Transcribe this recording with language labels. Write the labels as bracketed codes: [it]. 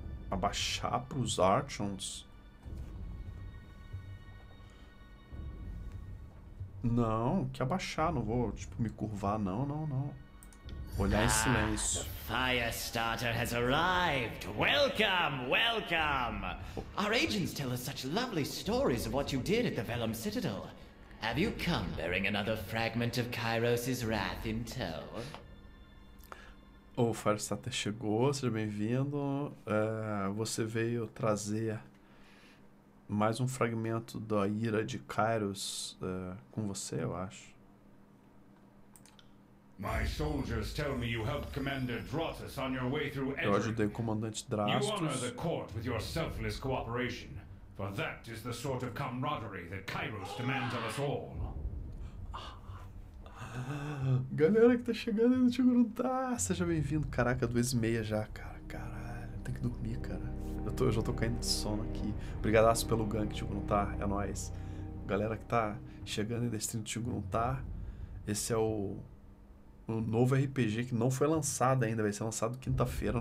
[pt] Abaixar para os Archons? Não, que abaixar, não vou, tipo, me curvar, não, não, não. Olhar em Ah, silêncio. [en] the Firestarter has arrived! Welcome, welcome! Our agents tell us such lovely stories of what you did at the Vellum Citadel. Have you come bearing another fragment of Kairos's wrath in tow? [pt] O Firestarter chegou, seja bem-vindo. Você veio trazer mais um fragmento da ira de Kairos com você, eu acho. [en] My soldiers tell me you helped Commander Drotus on your way through [pt] Edric. Eu ajudei o comandante Drastus. [en] You honor the court with your selfless cooperation, for that is the sort of camaraderie that Kairos demands of us all. [pt] Galera que tá chegando aí no Tigruntar, seja bem-vindo. Caraca, 2h30 já, cara. Caralho, tem que dormir, cara. Eu já tô caindo de sono aqui. Obrigadaço pelo gank, Tigruntar, é nóis. Galera que tá chegando aí desse Tigruntar, esse é o novo RPG que não foi lançado ainda, vai ser lançado quinta-feira.